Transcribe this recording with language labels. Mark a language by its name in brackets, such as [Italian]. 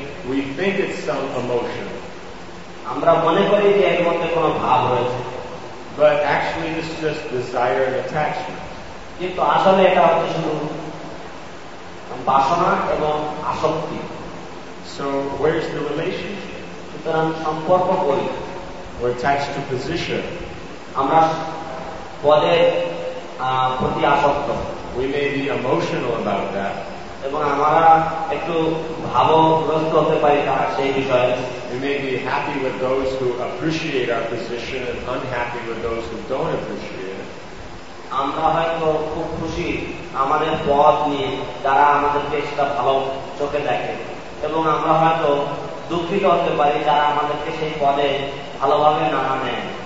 [English] We think it's some emotion. [Bangla] আমরা মনে করি যে এর মধ্যে কোন ভাব রয়েছে. [English] But actually it's just desire and attachment. [Bangla] কিন্তু আসলে এটা হচ্ছে শুধু বাসনা এবং আসক্তি. [English] So where is the relationship? [Bangla] সুতরাং সম্পর্ক কই? [English] We're attached to position. [Bangla] আমরা পদে প্রতি আসক্ত. [English] We may be emotional about that. [Bangla] এবং আমরা একটু ভাবগ্রস্ত হতে পারি তার সেই বিষয়ে. [English] We may be happy with those who appreciate our position and unhappy with those who don't appreciate it. [Bangla] আমরা হয়তো খুব খুশি আমাদের পদ নিয়ে যারা আমাদেরকে সেটা ভালো চোখে দেখে, এবং আমরা হয়তো দুঃখিত হতে পারি যারা আমাদেরকে সেই পদে ভালোভাবে না নেয়.